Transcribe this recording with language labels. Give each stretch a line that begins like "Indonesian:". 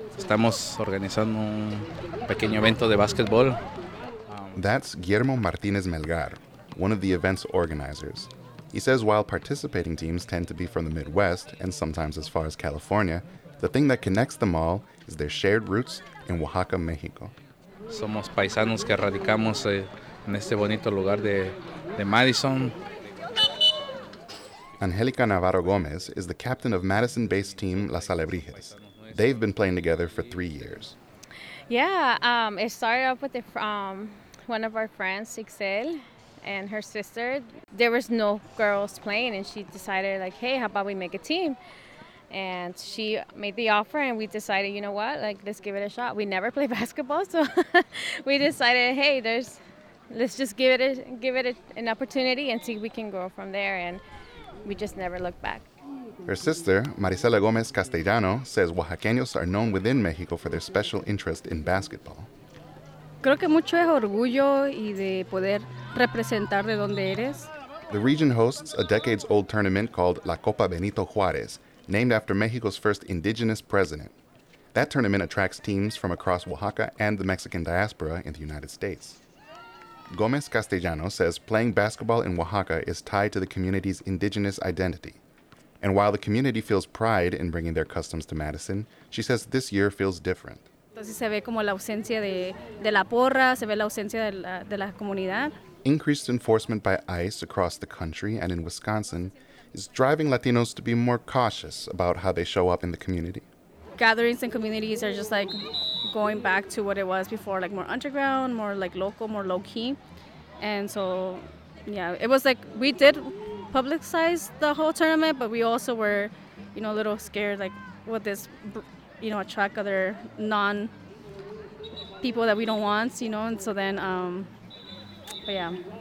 Spanish: Estamos organizando un pequeño evento de basketball.
English: That's Guillermo Martinez Melgar, one of the event's organizers. He says while participating teams tend to be from the Midwest and sometimes as far as California, the thing that connects them all is their shared roots in Oaxaca, Mexico.
Spanish: Somos paisanos que radicamos en este bonito lugar de Madison.
English: Angelica Navarro Gomez is the captain of Madison-based team Las Alebrijes. They've been playing together for 3 years. It started off with one of our friends, Ixel, and her sister. There was no girls playing, and she decided, like, hey, how about we make a team? And she made the offer, and we decided, you know what, like, let's give it a shot. We never play basketball, so we decided, hey, let's just give it an opportunity and see if we can grow from there, and we just never looked back. Her sister, Marisela Gomez Castellano, says Oaxaqueños are known within Mexico for their special interest in basketball.
Spanish: Creo que mucho es orgullo y de poder representar de donde eres.
English: The region hosts a decades-old tournament called La Copa Benito Juárez, named after Mexico's first indigenous president. That tournament attracts teams from across Oaxaca and the Mexican diaspora in the United States. Gomez Castellano says playing basketball in Oaxaca is tied to the community's indigenous identity. And while the community feels pride in bringing their customs to Madison, she says this year feels different.
Spanish: Entonces se ve como la ausencia de la porra, se ve la ausencia de la comunidad.
English: Increased enforcement by ICE across the country and in Wisconsin is driving Latinos to be more cautious about how they show up in the community. Gatherings and communities are just like going back to what it was before, like more underground, more like local, more low-key. And so, yeah, it was like we did publicize the whole tournament, but we also were, you know, a little scared, like, with this, you know, attract other non-people that we don't want, you know, and so then, but yeah.